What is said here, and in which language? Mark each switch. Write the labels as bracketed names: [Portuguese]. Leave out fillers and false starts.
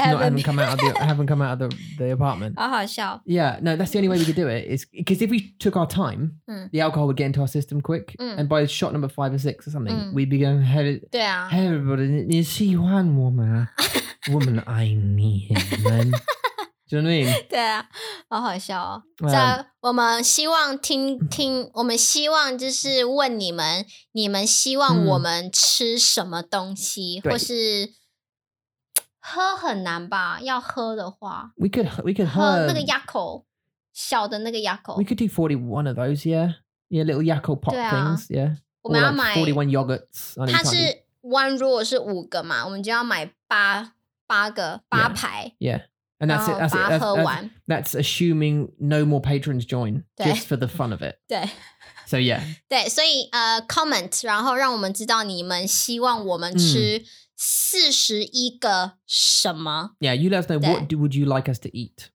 [English] They haven't come out of the apartment. Oh, shall. Yeah, no, that's the only way we could do it. Is because if we took our time, the alcohol would get into our system quick. And by shot number 5 or 6 or something, we'd be going, hey, everybody, you see one woman. Woman, I need man. Do you know what I mean? [Chinese] 对啊,好好笑哦。我们希望就是问你们,你们希望我们吃什么东西,或是喝很难吧,要喝的话。 [English] We could [Chinese] 喝... 那个Yakko,小的那个Yakko。 [English] We could do 41 of those, yeah. Yeah, little Yakko pop things, yeah. [Chinese] 我们要买... [English] Like 41 yogurts. [Chinese] 它是 1,如果是5个嘛, 我们就要买8个,8排。 [English] Yeah. Yeah. And that's it. That's assuming no more patrons join just for the fun of it. So, yeah. [Chinese] 对,所以 comment, 然后让我们知道你们希望我们吃41个什么。 [English] Yeah, you let us know what would you like us to eat.